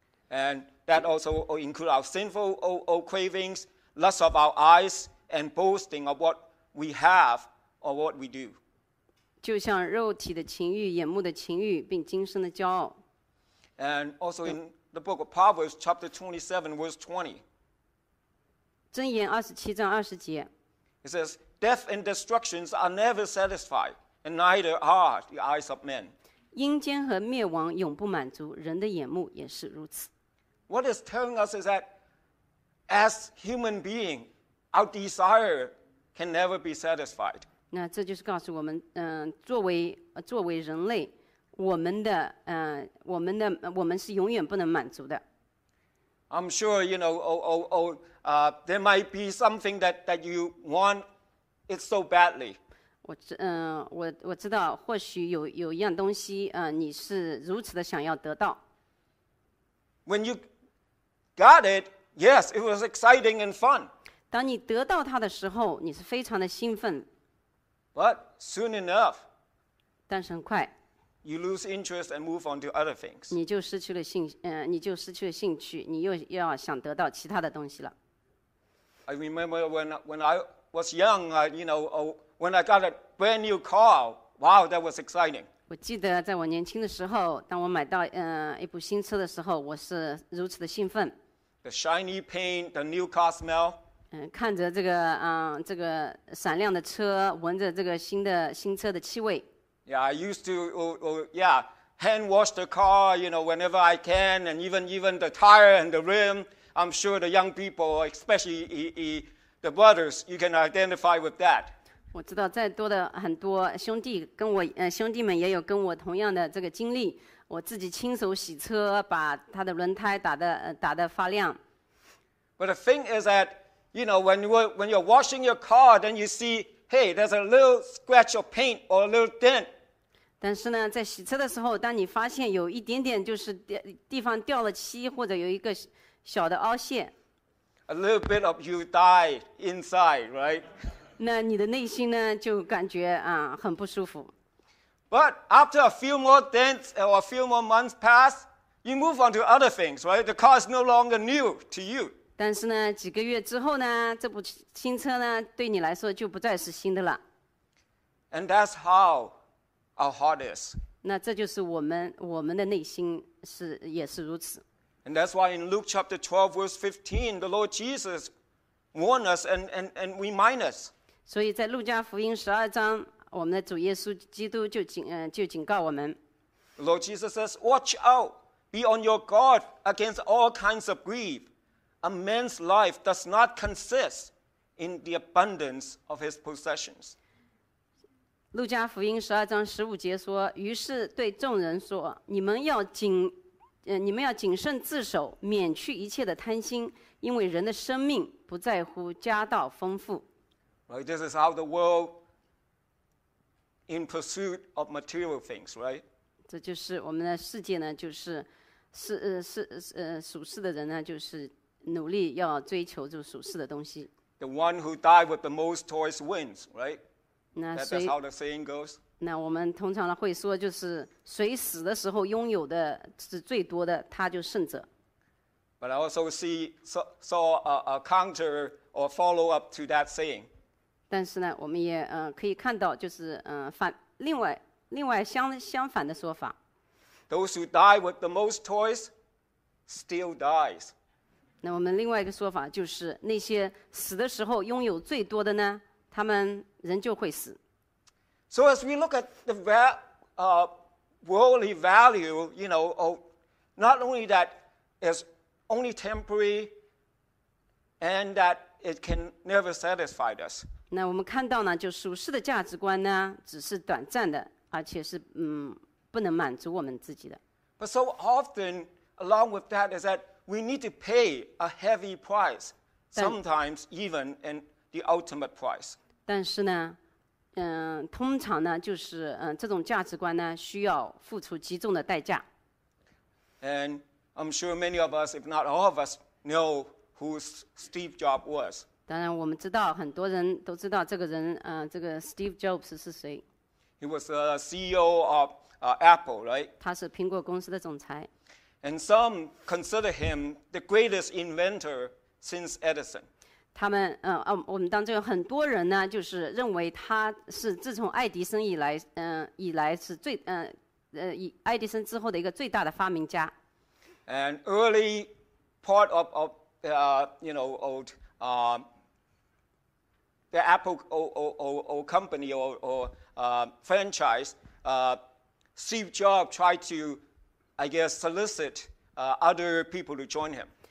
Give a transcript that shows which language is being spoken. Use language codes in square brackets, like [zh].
[en] ，and that also include our sinful old cravings, lust of our eyes, and boasting of what we have or what we do. [zh] 就像肉体的情欲、眼目的情欲，并今生的骄傲。 [en] And also in the book of Proverbs, chapter 27, verse 20. [zh] 箴言二十七章二十节。 [en] It says, "Death and destructions are never satisfied, and neither are the eyes of men." [zh] 阴间和灭亡永不满足，人的眼目也是如此。 [en] What is telling us is that as human being, our desire can never be satisfied. [zh] 那这就是告诉我们，作为人类，我们是永远不能满足的。 [en] I'm sure you know, there might be something that you want it so badly. [zh] 我知道，或许有一样东西，你是如此的想要得到。 [en] When you got it, yes, it was exciting and fun. [zh] 当你得到它的时候，你是非常的兴奋。 [en] But soon enough, [zh] 但是很快 [en] you lose interest and move on to other things. [zh] 你就失去了兴趣，你又要想得到其他的东西了。 [en] I remember when I was young, When I got a brand new car, wow, that was exciting. [zh] 我记得在我年轻的时候，当我买到一部新车的时候，我是如此的兴奋。 [en] The shiny paint, the new car smell. [zh] 看着这个这个闪亮的车，闻着这个新车的气味。 [en] Yeah, I used to, hand wash the car, you know, whenever I can, and even the tire and the rim. I'm sure the young people, especially the brothers, you can identify with that. [zh] 我知道再多的很多兄弟跟我兄弟们也有跟我同样的这个经历。我自己亲手洗车，把他的轮胎打得发亮。 [en] But the thing is that, you know, when you're washing your car, then you see, hey, there's a little scratch of paint or a little dent. [zh] 但是呢，在洗车的时候，当你发现有一点点就是地方掉了漆，或者有一个小的凹陷。 [en] A little bit of you die inside, right? [zh] 那你的内心呢，就感觉很不舒服。 [en] But after a few more dents or a few more months pass, you move on to other things, right? The car is no longer new to you. [zh] 但是呢，几个月之后呢，这部新车呢，对你来说就不再是新的了。 [en] And that's how our heart is. [zh] 那这就是我们的内心是也是如此。 [en] And that's why in Luke chapter 12, verse 15, the Lord Jesus warned us and remind us. [zh] 所以在路加福音十二章。我们的主耶稣基督就警告我们。 [en] Lord Jesus says, "Watch out! Be on your guard against all kinds of greed. A man's life does not consist in the abundance of his possessions." [zh] 路加福音十二章十五节说：“于是对众人说，你们要谨慎自守，免去一切的贪心，因为人的生命不在乎家道丰富。” [en] Right, this is how the world. In pursuit of material things, right? [zh] 这就是我们的世界呢，就是属世的人呢，就是努力要追求这属世的东西。 [en] The one who died with the most toys wins, right? 那 [zh] 所以 [en] That's how the saying goes. [zh] 那我们通常会说，就是谁死的时候拥有的是最多的，他就胜者。 [en] But I also saw a counter or follow up to that saying. [zh] 但是呢，我们也可以看到，就是另外相反的说法。 [en] Those who die with the most toys still dies. [zh] 那我们另外一个说法就是，那些死的时候拥有最多的呢，他们仍旧会死。 [en] So as we look at the worldly value, you know, not only that is only temporary, and that it can never satisfy us. [zh] 那我们看到呢，就属世的价值观呢，只是短暂的，而且是不能满足我们自己的。 [en] But so often, along with that, is that we need to pay a heavy price, sometimes even in the ultimate price. [zh] 但是呢，通常呢，就是这种价值观呢，需要付出极重的代价。 [en] And I'm sure many of us, if not all of us, know who Steve Jobs was. [zh] 当然我们知道很多人都知道这个人这个 Steve Jobs 是谁。 [en] He was the CEO of Apple, right? [zh] 他是苹果公司的总裁。 [en] And some consider him the greatest inventor since Edison. [zh] 他们我们当中有很多人呢就是认为他是自从爱迪生以来是最以爱迪生之后的一个最大的发明家。 [en] And early part of the Apple company franchise, Steve Jobs tried to, I guess, solicit other people to join him.